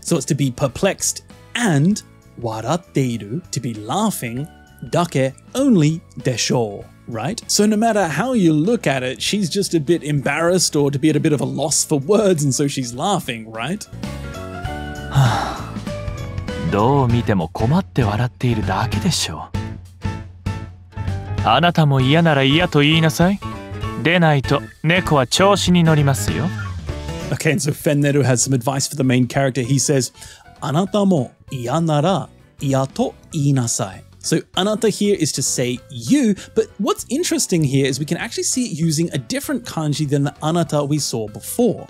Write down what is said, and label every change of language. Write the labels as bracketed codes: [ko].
[en] So it's to be perplexed and [ja] 笑っている, [en] to be laughing, だけ, only, [ja] でしょう. [en] Right? So no matter how you look at it, she's just a bit embarrassed or to be at a bit of a loss for words, and so she's laughing, right? [ja] どう見ても困って笑っているだけでしょう。あなたも嫌なら嫌と言いなさい。でないと猫は調子に乗りますよ。 [en] Okay, and so Fennel has some advice for the main character. He says, [ja] あなたも嫌なら嫌と言いなさい。 [en] So, anata here is to say you, but what's interesting here is we can actually see it using a different kanji than the anata we saw before.